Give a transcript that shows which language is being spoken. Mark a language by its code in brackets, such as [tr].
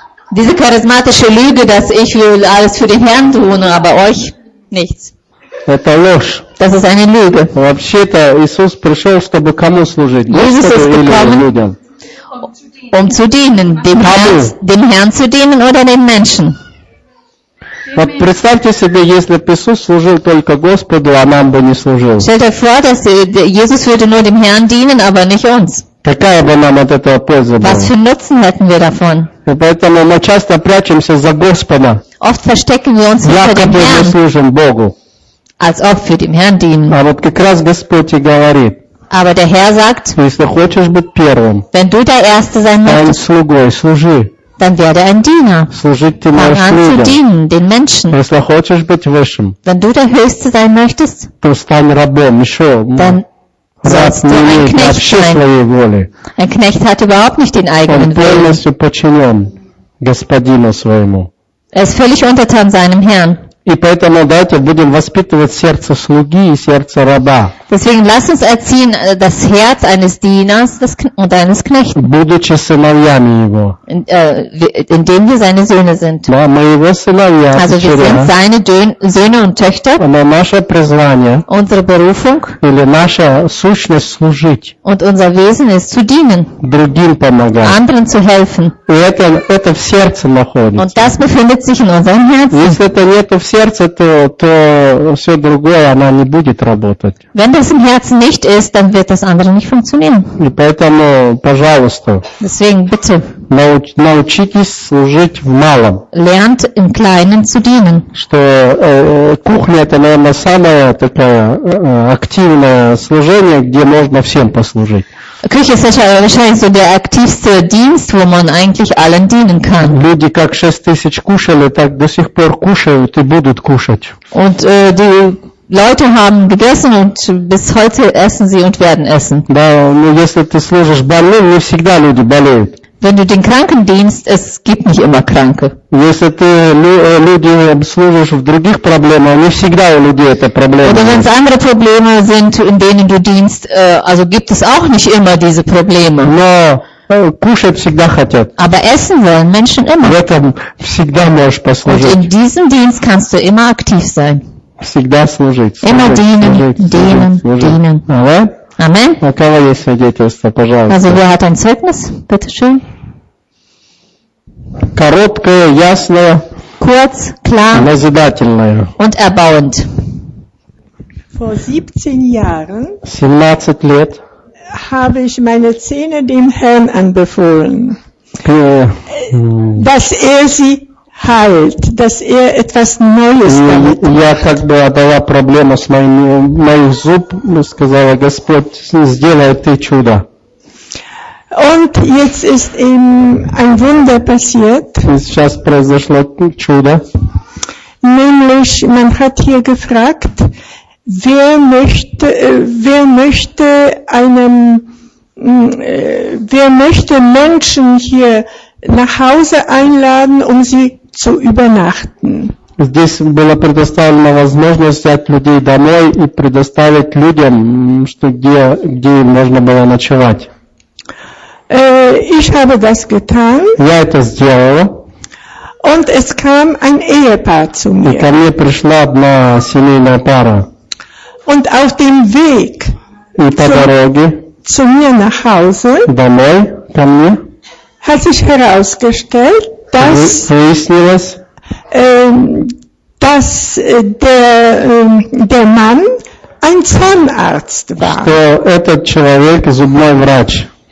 [de] Diese charismatische Lüge, dass ich will alles für den Herrn tun, aber euch nichts. [ru] Это ложь. [de] Das ist eine Lüge. [ru] Вообще-то Иисус пришел, чтобы кому служить? Господу или людям? [de] Um zu dienen, dem Herrn zu dienen oder den Menschen. [ru] Вот представьте себе, если бы Иисус служил только Господу, а нам бы не служил. [de] Stellt euch vor, dass Jesus würde nur dem Herrn dienen, aber nicht uns. [ru] Какая бы нам от этого польза была? [de] Was für Nutzen hätten wir davon? [ru] И поэтому мы часто прячемся за Господа. [de] Oft verstecken wir uns hinter dem Herrn. [ru] Якобы мы служим Богу. [de] Als ob wir dem Herrn dienen. [ru] А вот как раз Господь и говорит. [de] Aber der Herr sagt, [ru] если хочешь быть первым, [de] wenn du der Erste sein möchtest, [ru] стань слугой, служи. [de] Dann werde ein Diener. [ru] Служить ты можешь людям. [de] Fang an zu dienen, den Menschen. [ru] Если хочешь быть высшим, [de] wenn du der Höchste sein möchtest, [ru] то стань рабом, еще. [de] Dann sollst du ein Knecht sein. Ein Knecht hat überhaupt nicht den eigenen Willen. [ru] Он полностью подчинен господину своему. [de] Er ist völlig untertan seinem Herrn. [ru] И поэтому давайте будем воспитывать сердце слуги и сердце раба. [de] Deswegen lass uns erziehen das Herz eines Dieners und eines Knechts. [ru] Будучи сыновьями его. [de] Indem wir seine Söhne sind. [ru] Да, мы его сыновья. [de] Also wir sind seine Söhne und Töchter. [ru] Но наше призвание. [de] Unsere Berufung. [ru] Или наша сущность служить. [de] Und unser Wesen ist zu dienen. [ru] Другим помогать. [de] Anderen zu helfen. [ru] И это в сердце находится. [de] Und das befindet sich in unserem Herzen. [ru] Если это нету в сердце, то все другое, она не будет работать. [de] Wenn das im Herzen nicht ist, dann wird das andere nicht funktionieren. [ru] И поэтому, пожалуйста. [de] Deswegen bitte. [ru] Научитесь служить в малом. [de] Lernt im Kleinen zu dienen. [ru] Что кухня это, наверное, самое такое активное служение, где можно всем послужить. [de] Küche ist wahrscheinlich so der aktivste Dienst, wo man eigentlich allen dienen kann. [ru] Люди как 6000 кушали, так до сих пор кушают и будут кушать. [de] Und die Leute haben gegessen und bis heute essen sie und werden essen. [ru] Да, но если ты служишь больным, не всегда люди болеют. [de] Wenn du den Kranken dienst, es gibt nicht immer Kranke. [ru] Если ты люди служишь в других проблемах, не всегда у людей это проблема. [de] Oder wenn es andere Probleme sind, in denen du dienst, also gibt es auch nicht immer diese Probleme. [ru] Но кушать всегда хотят. [de] Aber essen wollen Menschen immer. [ru] В этом всегда можешь послужить. [de] Und in diesem Dienst kannst du immer aktiv sein. [ru] Всегда служить. [de] Immer dienen. Amen. [ru] У кого есть свидетельство, пожалуйста. [de] Also, wer hat ein Zeugnis? Bitte schön. [ru] Короткое, ясное. [de] Kurz, klar. [ru] Назидательное. [de] Und erbauend. Vor 17 Jahren. [ru] 17 лет. [de] Habe ich meine Zähne dem Herrn anbefohlen. Dass er sie heilt, dass er etwas Neues damit macht. [ru] Я как бы отдала проблему с моих зуб, сказала, Господь, сделай ты чудо. [de] Und jetzt ist ihm ein Wunder passiert. [ru] Сейчас произошло чудо. [de] Nämlich, man hat hier gefragt, wer möchte Menschen hier nach Hause einladen, um sie zu übernachten. [ru] Здесь была предоставлена возможность взять людей домой и предоставить людям, что где можно было ночевать. [de] Ich habe das getan. [ru] Я это сделала. [de] Und es kam ein Ehepaar zu mir. [ru] И ко мне пришла одна семейная пара. [de] Und auf dem Weg zu mir nach Hause [ru] домой, ко мне, [de] hat sich herausgestellt, dass der Mann ein Zahnarzt war. [ru] Что этот человек зубной врач.